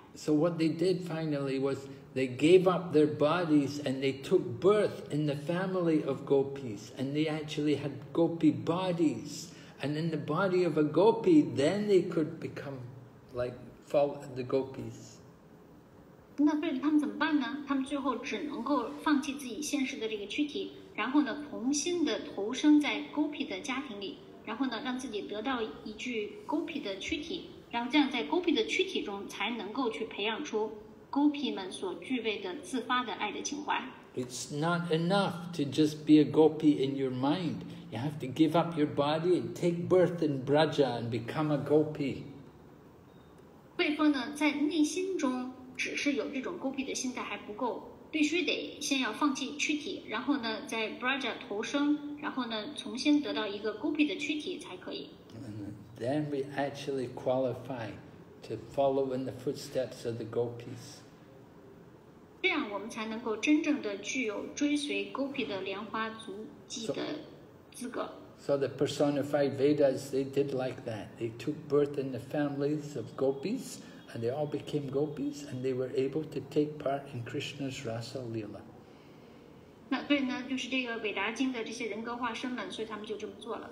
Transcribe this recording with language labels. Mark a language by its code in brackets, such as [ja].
[en] So what they did finally was they gave up their bodies and they took birth in the family of gopis, and they actually had gopi bodies. And in the body of a gopi, then they could become like the gopis. [zh] 那所以他们怎么办呢？他们最后只能够放弃自己现实的这个躯体，然后呢，重新的投生在 gopi 的家庭里，然后呢，让自己得到一具 gopi 的躯体，然后这样在 gopi 的躯体中才能够去培养出 gopi 们所具备的自发的爱的情怀。 [en] It's not enough to just be a gopi in your mind. You have to give up your body and take birth in Braja and become a gopi. [zh] 所以说呢，在内心中只是有这种 gopi 的心态还不够，必须得先要放弃躯体，然后呢，在 Braja 投生，然后呢，重新得到一个 gopi 的躯体才可以。 [en] Then we actually qualify to follow in the footsteps of the gopis. [zh] 这样我们才能够真正的具有追随 gopi 的莲花足迹的资格。 [en] So the personified Vedas, they did like that. They took birth in the families of gopis, and they all became gopis, and they were able to take part in Krishna's Rasa Lila. [zh] 那对呢，就是这个韦达经的这些人格化身们，所以他们就这么做了。